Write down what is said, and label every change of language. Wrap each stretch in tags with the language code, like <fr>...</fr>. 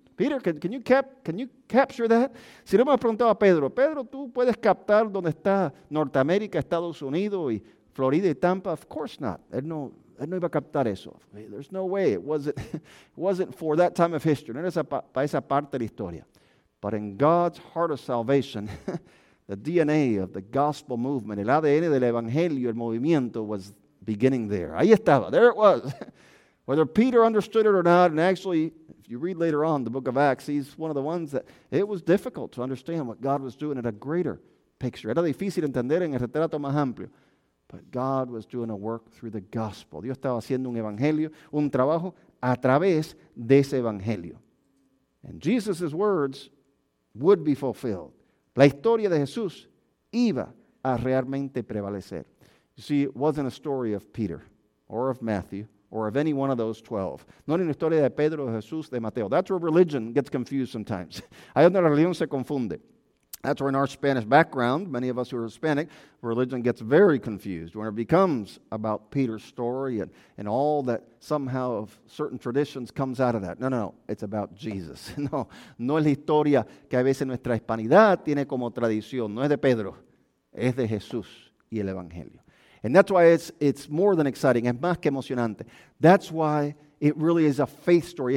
<en>Peter, can you capture that?</en> <es>Si le hemos preguntado a Pedro, Pedro, ¿tú puedes captar dónde está Norteamérica, Estados Unidos y Florida y Tampa?</es> <en>Of course not.</en> <es>Él no iba a captar eso.</es> <en>There's no way. It wasn't for that time of history.</en> <es>No era para esa parte de la historia.</es> <en>But in God's heart of salvation, the DNA of the gospel movement,</en> <es>el ADN del evangelio, el movimiento,</es> <en>was beginning there.</en> <es>Ahí estaba.</es> <en>There it was. Whether Peter understood it or not, and actually, if you read later on the book of Acts, he's one of the ones that it was difficult to understand what God was doing in a greater picture.</en> <es>Era difícil entender en el retrato más amplio.</es> <en>But God was doing a work through the gospel.</en> <es>Dios estaba haciendo un evangelio, un trabajo a través de ese evangelio.</es> <en>And Jesus' words would be fulfilled.</en> <es>La historia de Jesús iba a realmente prevalecer.</es> <en>You see, it wasn't a story of Peter or of Matthew or of any one of those 12.</en> <es>No era una historia de Pedro, Jesús, de Mateo.</es> <en>That's where religion gets confused sometimes.</en> <es>Ahí donde la religión se confunde.</es> <en>That's where in our Spanish background, many of us who are Hispanic, religion gets very confused. When it becomes about Peter's story and all that somehow of certain traditions comes out of that. No, it's about Jesus.</en> <es>No es la historia que a veces nuestra hispanidad tiene como tradición. No es de Pedro, es de Jesús y el Evangelio.</es> <en>And that's why it's more than exciting.</en> <es>Es más que emocionante.</es> <en>That's why it really is a faith story.</en>